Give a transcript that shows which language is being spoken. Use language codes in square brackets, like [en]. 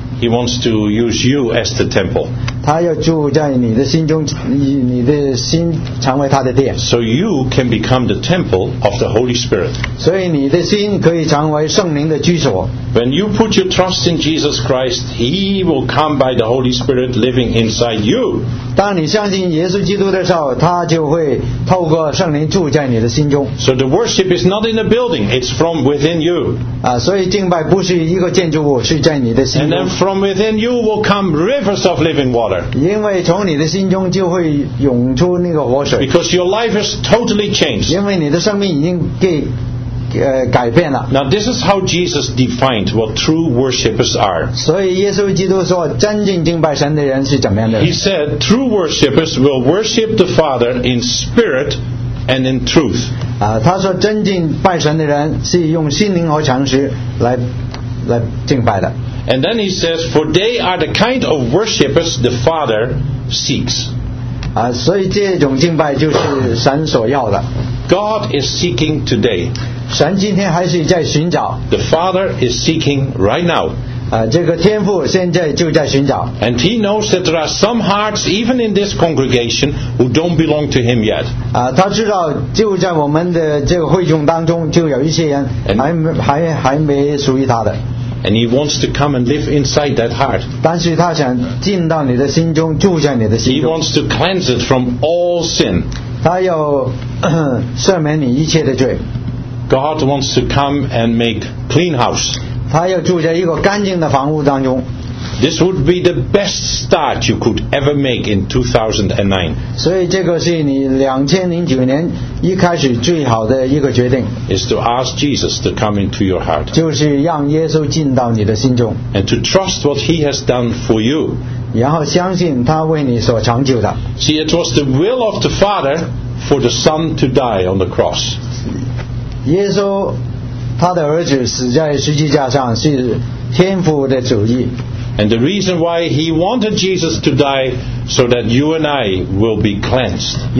[en] He wants to use you as the temple. [zh] 他要住在你的心中，你的心成为他的殿。 [en] So you can become the temple of the Holy Spirit. [zh] 所以你的心可以成为圣灵的居所。 [en] When you put your trust in Jesus Christ, He will come by the Holy Spirit living inside you. [zh] 当你相信耶稣基督的时候，他就会透过圣灵住在你的心中。 [en] So the worship is not in a building, it's from within you. [zh] 所以敬拜不是一个建筑物，是在你的心中。 [en] And then from within you will come rivers of living water. [zh] 因为从你的心中就会涌出那个活水。 [en] Because your life is totally changed. [zh] 因为你的生命已经给改变了。 [en] Now this is how Jesus defined what true worshippers are. [zh] 所以耶稣基督说，真正敬拜神的人是怎么样的人？ [en] He said true worshippers will worship the Father in spirit and in truth. [zh] 他说真正拜神的人是用心灵和诚实来敬拜的。 [en] And then he says, for they are the kind of worshippers the Father seeks. [zh] 所以这种敬拜就是神所要的。 [en] God is seeking today. [zh] 神今天还是在寻找。 [en] The Father is seeking right now. [zh] 这个天父现在就在寻找。 [en] And He knows that there are some hearts, even in this congregation, who don't belong to Him yet. [zh] 他知道就在我们的这个会众当中，就有一些人还没属于他的。 [en] And He wants to come and live inside that heart. [zh] 但是他想进到你的心中，住在你的心中。 [en] He wants to cleanse it from all sin. [zh] 他要赦免你一切的罪。 [en] God wants to come and make clean house. [zh] 他要住在一个干净的房屋当中。 [en] This would be the best start you could ever make in 2009. Is to ask Jesus to come into your heart. And to trust what he has done for you. See, it was the will of the Father for the Son to die on the cross. [zh] 耶稣他的儿子死在十字架上是天父的旨意。 [en] And the reason why he wanted Jesus to die so that you and I will be cleansed.